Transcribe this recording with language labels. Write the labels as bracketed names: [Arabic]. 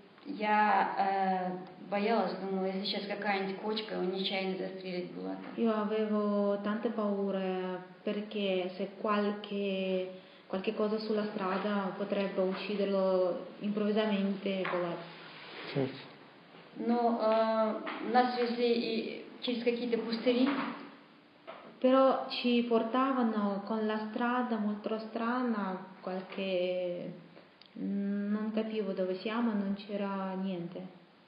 [Russian] Я боялась, думала, если сейчас какая-нибудь кочка, он нечаянно застрелит Булата. [Italian] Io avevo tante paure perché se qualche cosa sulla strada potrebbe ucciderlo improvvisamente Булат. [Russian] Но нас везли и через какие-то пустыри. [Italian] Però ci portavano con la strada molto strana qualche non capivo dove siamo, non c'era niente.